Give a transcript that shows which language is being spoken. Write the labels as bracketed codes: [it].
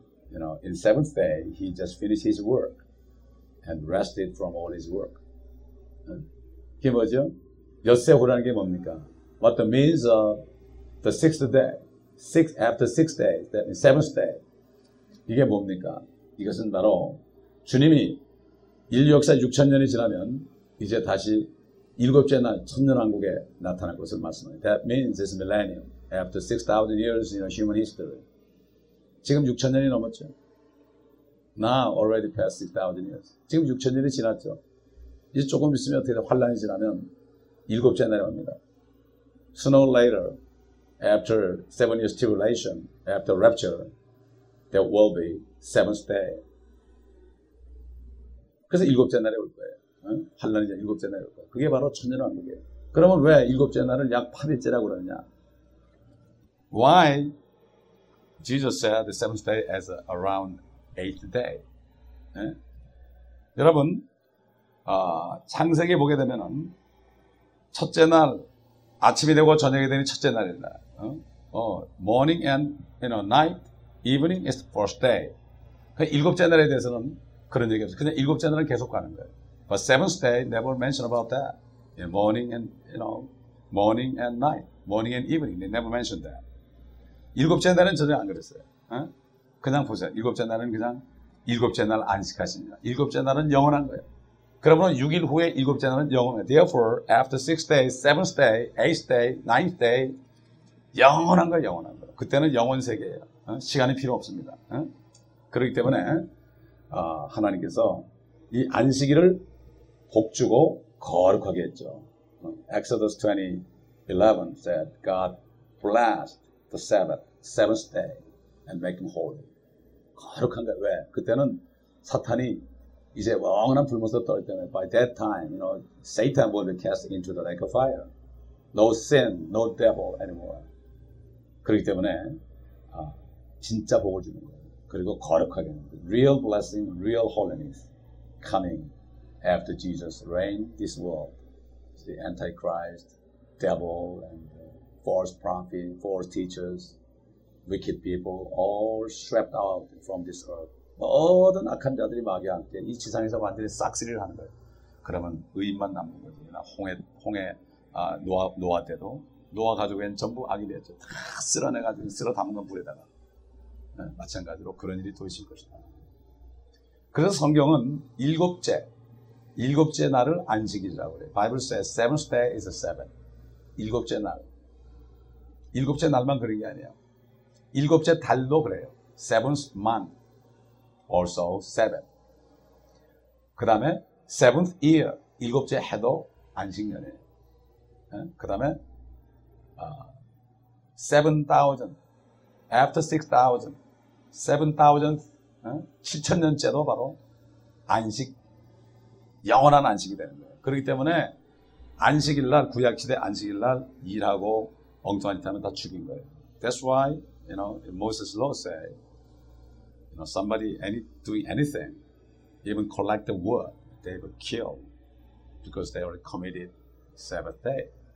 [en] You know, in seventh day, he just finished his work and rested from all his work. [ko] 그게 뭐죠? 엿새 후라는 게 뭡니까? [en] What the means of the sixth day? Six after six days, that means seventh day. [ko] 이게 뭡니까? 이것은 바로 주님이 인류 역사 6000년이 지나면 이제 다시 일곱째 날 천년왕국에 나타날 것을 말씀합니다. [en] That means it's millennium. After 6,000 years in human history. [ko] 지금 6,000년이 넘었죠. [en] Now already past 6,000 years. [ko] 지금 6,000년이 지났죠. 이제 조금 있으면 어떻게 돼? 환란이 지나면 일곱째 날이 옵니다. Sooner or later, after 7 years tribulation, after rapture, there will be seventh day. 그래서 일곱째 날이 올 거예요. 환란이 일곱째 날이 올 거예요. 그게 바로 천년왕국이에요. 그러면 왜 일곱째 날을 약 8일째라고 그러느냐? [en] Why? Jesus said the seventh day as around eighth day. [ko] 네? 여러분, 창세기 보게 되면은 첫째 날 아침이 되고 저녁이 되는 첫째 날입니다. [en] morning and night, evening is the first day. [ko] 그 일곱째 날에 대해서는 그런 얘기 없어요. 그냥 일곱째 날은 계속 가는 거예요. [en] But seventh day never mention about that. Morning and night, morning and evening, they never mention that. [ko] 일곱째 날은 전혀 안 그랬어요. 그냥 보세요. 일곱째 날은 그냥 일곱째 날 안식하십니다. 일곱째 날은 영원한 거예요. 그러면 6일 후에 일곱째 날은 영원해요. [en] Therefore, after 6 days, 7th day, 8th day, 9th day, [ko] 영원한 거예요. 영원한 거예요. 그때는 영원 세계예요. 시간이 필요 없습니다. 그렇기 때문에 하나님께서 이 안식일을 복주고 거룩하게 했죠. [en] Exodus 20:11 said, God bless the Sabbath, seventh day, and make him holy. [ko] 거룩한 거야. 왜? 그때는 사탄이 이제 엄청난 불모서 떨 때문에 [en] by that time, you know, Satan will be cast into the lake of fire. No sin, no devil anymore. [ko] 그렇기 때문에 아, 진짜 복을 주는 거예요. 그리고 거룩하게 하는 거예요. [en] Real blessing, real holiness coming after Jesus reigned this world. The Antichrist, devil, and false prophet, false teachers, wicked people, all swept out from this earth. [ko] 모든 악한 자들이 마귀한테 이 지상에서 완전히 싹쓸이를 하는 거예요. 그러면 의인만 남는 거죠. 홍해 아, 노아 때도 노아 가족에는 전부 악이 되었죠. 다 쓸어내가지고 쓸어 담은 물에다가 네, 마찬가지로 그런 일이 또 있을 것이다. 그래서 성경은 일곱째 날을 안식일이라고 그래요. [en] Bible says seventh day is a seventh. [ko] 일곱째 날. 일곱째 날만 그런 게 아니에요. 일곱째 달도 그래요. [en] Seventh month. Also seven. [ko] 그 다음에 [en] seventh year. [ko] 일곱째 해도 안식년이에요. 네? 그 다음에 7,000 after 6,000 7,000 7,000년째도 바로 안식 영원한 안식이 되는 거예요. 그렇기 때문에 안식일날 구약시대 안식일날 일하고 엉뚱한 짓 하면 다 죽인 거예요. [en] That's why you know Moses' law say you know somebody any doing anything even collect the wood they will kill because they already committed Sabbath day.